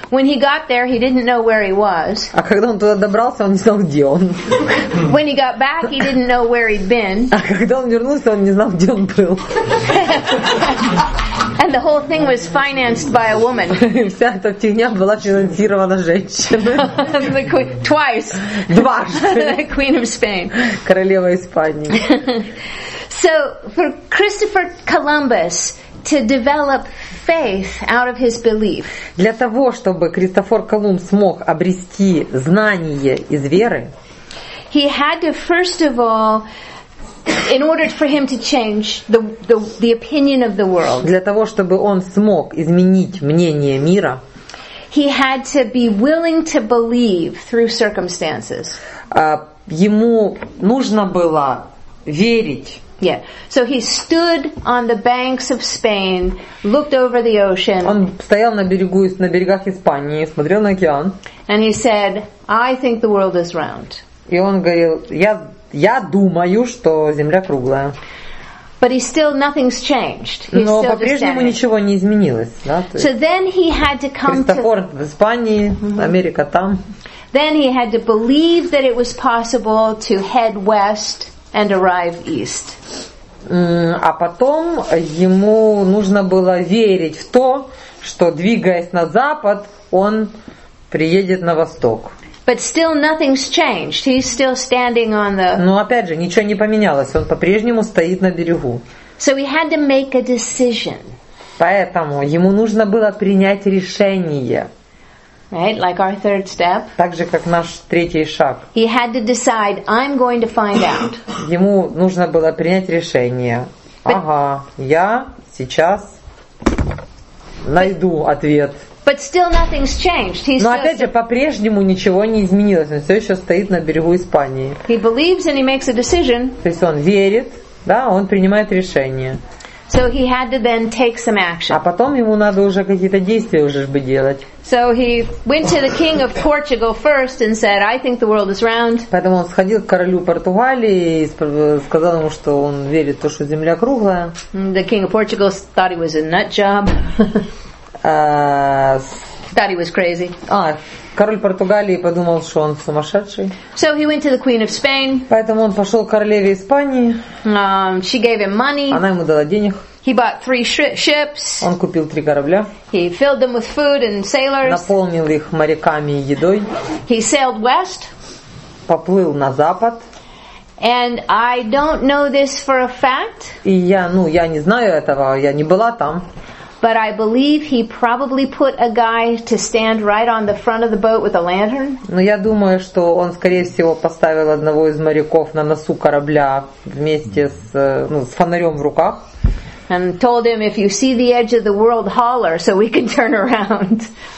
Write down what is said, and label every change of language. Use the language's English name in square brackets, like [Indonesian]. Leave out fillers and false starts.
[English] When he got there, he didn't know where he was. [Russian] А когда он туда добрался, он не знал, где он. [English] When he got back, he didn't know where he'd been. [Russian] А когда он вернулся, он не знал, где он был. [English] And the whole thing was financed by a woman. [Russian] Вся эта фигня была финансирована женщиной. [English] The queen, twice. [Russian] Дважды. [English] The queen of Spain. [Russian] Королева Испании. [English] So for Christopher Columbus to develop faith out of his belief. [Russian] Для того, чтобы Христофор Колумб смог обрести знание из веры, [English] he had to first of all, in order for him to change the opinion of the world. [Russian] Для того, чтобы он смог изменить мнение мира, [English] he had to be willing to believe through circumstances. [Russian] ему нужно было верить. [English] Yeah. So he stood on the banks of Spain, looked over the ocean. [Russian] Он стоял на берегах Испании, смотрел на океан. [English] And he said, "I think the world is round." [Russian] И он говорил, я думаю, что Земля круглая. [English] But he still nothing's changed. He's [Russian] Но [English] still [Russian] по-прежнему ничего не изменилось, да? [English] So then he had to come [Russian] Христофор [English] to... [Russian] в Испании, mm-hmm. Америка там. [English] Then he had to believe that it was possible to head west. And arrive east. [Russian] А потом ему нужно было верить в то, что двигаясь на запад, он приедет на восток. [English] But still nothing's changed. He's still standing on the. [Russian] Но опять же, ничего не поменялось. Он по-прежнему стоит на берегу. [English] So he had to make a decision. [Russian] Поэтому ему нужно было принять решение. [English] Right, like our third step. [Russian] Так же, как наш третий шаг. [English] He had to decide, I'm going to find out. [Russian] Ему нужно было принять решение. Ага, я сейчас найду ответ. [English] But still nothing's changed. [Russian] Но опять же, по-прежнему ничего не изменилось. Он все еще стоит на берегу Испании. [English] He believes and he makes a decision. [Russian] То есть он верит, да, он принимает решение. [English] So he had to then take some action. [Russian] А потом ему надо уже какие-то действия уже бы делать. [English] So he went to the king of Portugal first and said, "I think the world is round." [Russian] Поэтому он сходил к королю Португалии и сказал ему, что он верит в то, что Земля круглая. [English] The king of Portugal thought he was a nut job. Thought he was crazy. [Russian] А король Португалии подумал, что он сумасшедший. [English] So he went to the queen of Spain. [Russian] Поэтому он пошел к королеве Испании. [English] She gave him money. [Russian] Она ему дала денег. [English] He bought three ships. [Russian] Он купил три корабля. [English] He filled them with food and sailors. [Russian] Наполнил их моряками и едой. [English] He sailed west. [Russian] Поплыл на запад. [English] And I don't know this for a fact. [Russian] И я, ну, я не знаю этого, я не была там. [English] But I believe he probably put a guy to stand right on the front of the boat with a lantern. [Russian] Но я думаю, что он, скорее всего, поставил одного из моряков на носу корабля вместе с, ну, с фонарем в руках. [English] And told him, if you see the edge of the world, holler, so we can turn around.